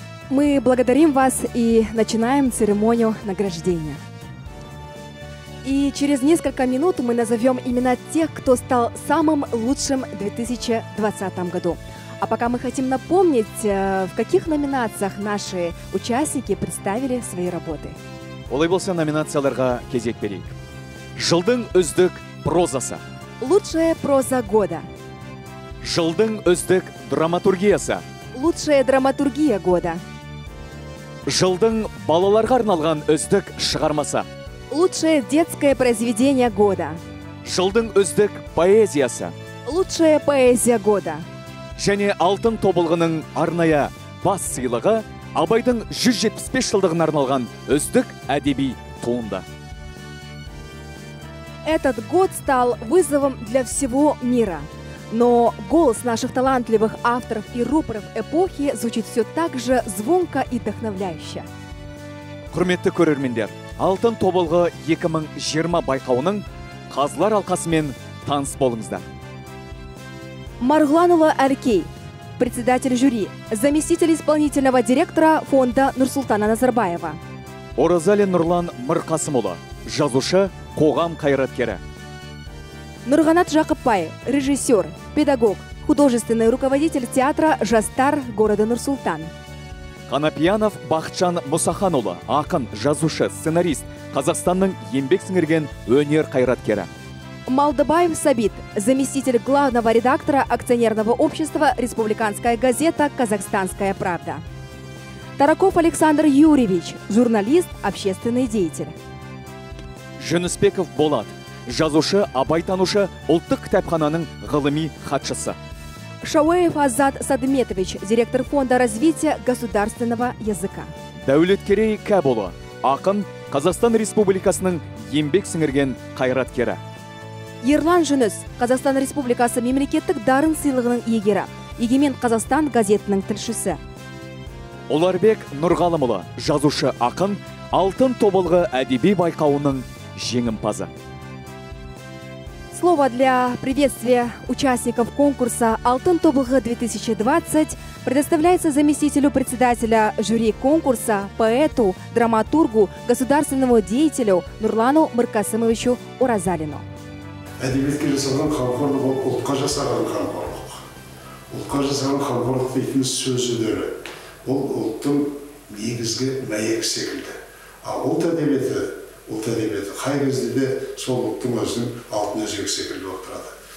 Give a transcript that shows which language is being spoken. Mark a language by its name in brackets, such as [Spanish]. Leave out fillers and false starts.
[Russian] Мы благодарим вас и начинаем церемонию награждения. И через несколько минут мы назовем имена тех, кто стал самым лучшим в 2020 году. А пока мы хотим напомнить, в каких номинациях наши участники представили свои работы. [Kazakh] Олай болса номинацияларға кезек берейік. Жылдың үздік прозасы. [Russian] Лучшая проза года. [Kazakh] Жылдың үздік драматургиясы. [Russian] Лучшая драматургия года. [Kazakh] Жылдың балаларға арналған үздік шығармасы. [Russian] Лучшее детское произведение года. [Kazakh] Жылдың үздік поэзиясы. [Russian] Лучшая поэзия года. [Kazakh] Және алтын тобылғының арная бас сыйлығы Абайдың 175 жылдығына арналған үздік әдеби туынды. [Russian] Этот год стал вызовом для всего мира. Но голос наших талантливых авторов и рупоров эпохи звучит все так же звонко и вдохновляюще. [Kazakh] Құрметті көрермендер, алтын тобылғы 2020 байқауының қазылар алқасымен таныс болыңыздар. [Russian] Марғұланова Әлкей, председатель жюри, заместитель исполнительного директора фонда Нұрсұлтана Назарбаева. [Kazakh] Оразалин Нұрлан Мырқасымұлы, жазушы, қоғам қайраткері. [Russian] Нұрғанат Жақыппай, режиссер, педагог, художественный руководитель театра «Жастар» города Нұрсұлтан. [Kazakh] Қанапиянов Бақытжан Мұсаханұлы, ақын, жазушы, сценарист, Қазақстанның еңбек сіңірген өнер қайраткері. [Russian] Малдыбаев Сабит, заместитель главного редактора акционерного общества «Республиканская газета. Казахстанская правда». Тараков Александр Юрьевич, журналист, общественный деятель. [Kazakh] Жүнісбеков Болат, жазушы, абайтанушы, ұлттық кітапхананың ғылыми хатшысы. [Russian] Шауеев Азат Садметович, директор фонда развития государственного языка. [Kazakh] Дәулеткерей Кәбұлы, ақын, Қазақстан Республикасының еңбек сіңірген қайраткері. Ерлан Жүніс, Қазақстан Республикасы мемлекеттік дарын сыйлығының иегері, Егемен Қазақстан газетінің тілшісі. Оларбек Нұрғалымұлы, жазушы, ақын, алтын тобылғы әдеби байқауының жеңімпазы. [Russian] Слово для приветствия участников конкурса «Алтын тобылғы 2020» предоставляется заместителю председателя жюри конкурса, поэту, драматургу, государственному деятелю Нұрлану Мырқасымовичу Оразалину. [Kazakh] Әдебиетке жасалған қамқорлық ол ұлтқа жасаған қамқорлық. Ұлтқа жасаған қамқорлық дейтін сөздері ол ұлттың негізгі мәйегі секілді. Ал ұлт әдебиеті қай кезде де сол ұлттың өзінің алтын өзегі секілді отырады.